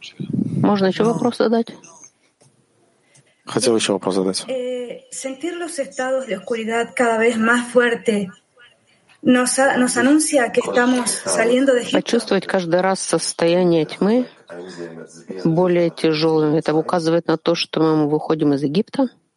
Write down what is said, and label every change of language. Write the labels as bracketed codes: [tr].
[ru] Можно еще вопрос задать? Хотел еще вопрос задать. [es] Sentir los estados de oscuridad cada vez más fuerte. Nos anuncia que estamos saliendo de Egipto. [ru] Почувствовать каждый раз состояние тьмы более тяжелым. Это указывает на то, что мы выходим из Египта.